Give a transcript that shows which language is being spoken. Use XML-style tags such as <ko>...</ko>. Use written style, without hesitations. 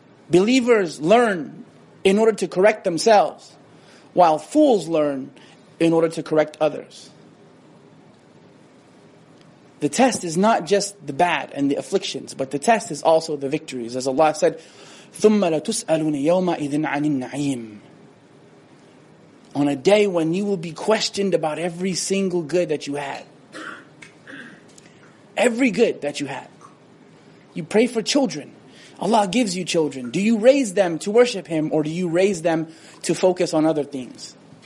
<en>Believers learn in order to correct themselves, while fools learn in order to correct others. The test is not just the bad and the afflictions, but the test is also the victories. As Allah said,</en> <ar>ثُمَّ لَتُسْأَلُونَ يَوْمَ إِذٍ عَنِ النَّعِيمِ.</ar> <en>On a day when you will be questioned about every single good that you had. Every good that you had. You pray for children. Allah gives you children. Do you raise them to worship Him, or do you raise them to focus on other things?</en>